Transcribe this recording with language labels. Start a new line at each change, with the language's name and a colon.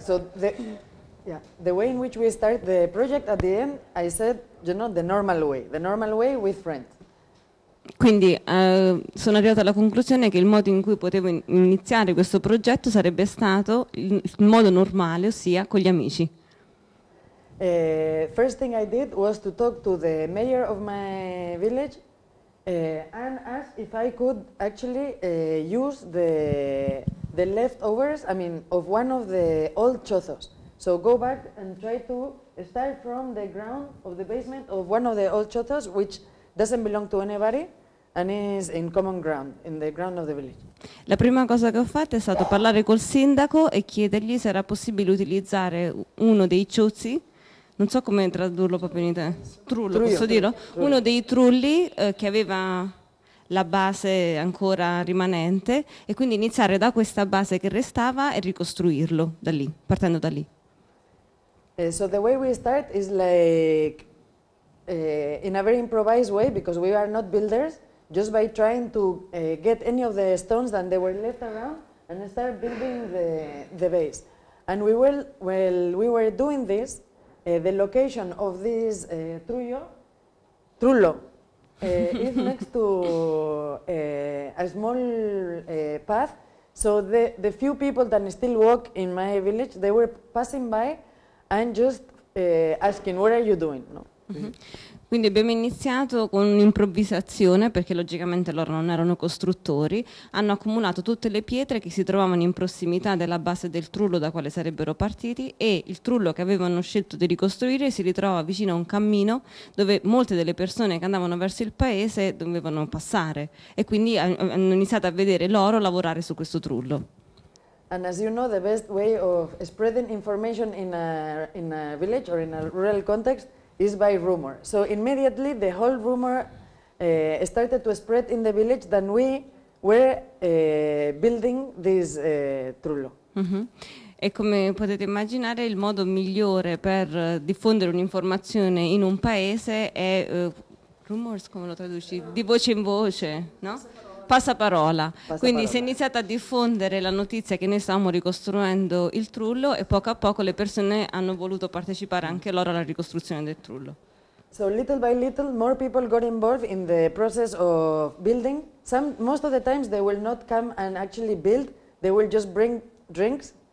English: So the way in which we start the project at the end, I said, you know, the normal way with friends.
Italian: Quindi sono arrivata alla conclusione che il modo in cui potevo iniziare questo progetto sarebbe stato il modo normale, ossia con gli amici.
English: First thing I did was to talk to the mayor of my village. And ask if I could actually use the leftovers, I mean, of one of the old chozos. So go back and try to start from the ground of the basement of one of the old chozos, which doesn't belong to anybody, and is in common ground, in the ground of the village.
Italian: La prima cosa che ho fatto è stato parlare col sindaco e chiedergli se era possibile utilizzare uno dei chozzi. Non so come tradurlo proprio in italiano. Trullo, posso dirlo? Trullo. Uno dei trulli che aveva la base ancora rimanente e quindi iniziare da questa base che restava e ricostruirlo da lì, partendo da lì.
English: So the way we start is like in a very improvised way because we are not builders, just by trying to get any of the stones that they were left around and start building the base. And we will, while we were doing this, the location of this trullo is next to a small path. So the few people that still walk in my village, they were passing by and just asking, what are you doing? No. Mm-hmm.
Italian: Quindi abbiamo iniziato con un'improvvisazione, perché logicamente loro non erano costruttori, hanno accumulato tutte le pietre che si trovavano in prossimità della base del trullo da quale sarebbero partiti e il trullo che avevano scelto di ricostruire si ritrova vicino a un cammino dove molte delle persone che andavano verso il paese dovevano passare e quindi hanno iniziato a vedere loro lavorare su questo trullo.
English: And as you know, the best way of spreading information in a village or in a rural context is by rumor. So immediately the whole rumor started to spread in the village that we were building this trullo. Mm-hmm.
Italian: E come potete immaginare, il modo migliore per diffondere un'informazione in un paese è rumors, come lo traduci? No. Di voce in voce, no? Passaparola. Quindi si è iniziata a diffondere la notizia che noi stavamo ricostruendo il trullo e poco a poco le persone hanno voluto partecipare anche loro alla ricostruzione del trullo.
English: So little by little more people got involved in the process of building. Most of the times they will not come and actually build, they will just bring drinks